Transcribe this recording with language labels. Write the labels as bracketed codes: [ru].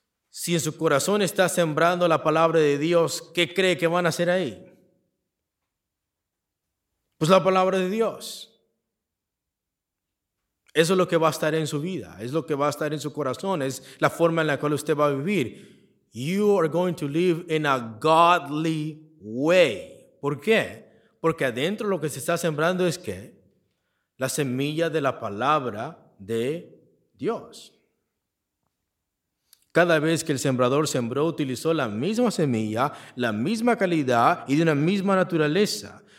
[es] Si en su corazón está sembrando la palabra de Dios, ¿qué cree que va a nacer ahí? Pues la palabra de Dios. Eso es lo que va a estar en su vida, es lo que va a estar en su corazón, es la forma en la cual usted va a vivir. [en] You are going to live in a godly way. [es] ¿Por qué? Porque adentro lo que se está sembrando es ¿qué? La semilla de la palabra de Dios. Cada vez que el sembrador sembró, utilizó la misma semilla, la misma calidad y de una misma naturaleza.